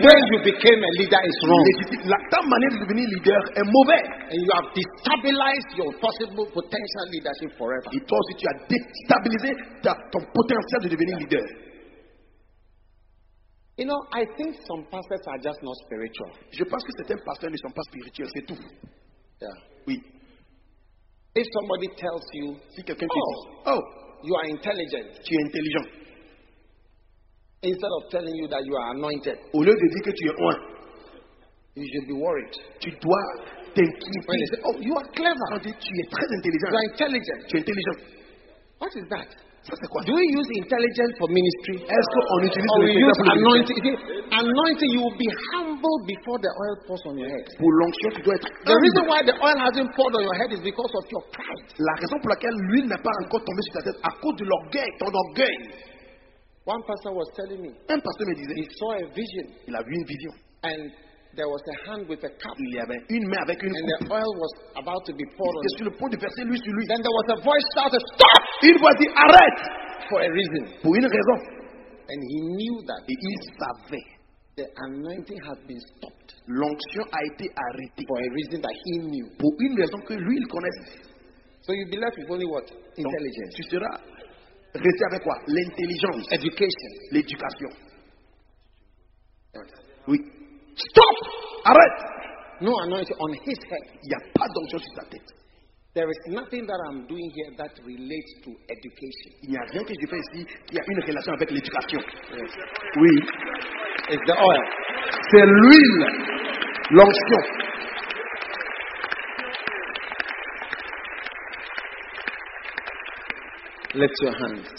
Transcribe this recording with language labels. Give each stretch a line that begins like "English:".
English: The way you became a leader is wrong.
French: Ta manière de devenir leader est mauvaise.
English: And you have destabilized your possible potential leadership forever.
French: Et toi aussi, tu as déstabilisé ton potentiel de devenir leader.
English: You know, I think some pastors are just not spiritual.
French: Je pense que certains pasteurs ne sont pas spirituels, c'est tout.
English: Yeah.
French: Oui.
English: If somebody tells you,
French: si quelqu'un te dit, oh,
English: you are intelligent.
French: Tu es intelligent.
English: Instead of telling you that you are anointed,
French: au lieu de dire que tu es oint,
English: you should be worried.
French: Tu dois t'inquiéter.
English: When they say, oh, you are clever.
French: Quand tu es très intelligent.
English: You are intelligent.
French: Tu es intelligent.
English: What is that?
French: Ça, c'est quoi?
English: Do we use intelligence for ministry?
French: Est-ce qu'on utilise
English: or we use anointing? Anointing, you will be humble before the oil pours on your head.
French: Pour l'onction, tu dois être humble.
English: The reason why the oil hasn't poured on your head is because of your pride.
French: La raison pour laquelle l'huile n'est pas encore tombée sur ta tête à cause de l'orgueil, ton orgueil.
English: One pastor was telling me.
French: Un pasteur me disait.
English: He saw a vision.
French: Il a vu une vision.
English: And there was a hand with a cup.
French: Il y avait une main avec une coupe.
English: And the oil was about to be poured on
French: him. Il était sur le point de verser l'huile sur lui.
English: Then there was a voice shouted, "Stop!"
French: Une voix dit, arrête!
English: For a reason.
French: Pour une raison.
English: And he knew that.
French: Et il savait.
English: The anointing had been stopped.
French: L'onction a été arrêtée.
English: For a reason that he knew.
French: Pour une raison que lui il connaissait.
English: So you'd be left with only what? Intelligence.
French: Donc, tu seras resté avec quoi? L'intelligence.
English: Education.
French: L'éducation.
English: Yes.
French: Oui.
English: Stop!
French: Arrête!
English: No anointing on his head.
French: Il n'y a pas d'onction sur sa tête.
English: There is nothing that I'm doing here that relates to education.
French: Il n'y a rien que je fais ici qui a une relation avec l'éducation.
English: Yes.
French: Oui.
English: It's the oil.
French: C'est l'huile. L'onction.
English: Lift your hands.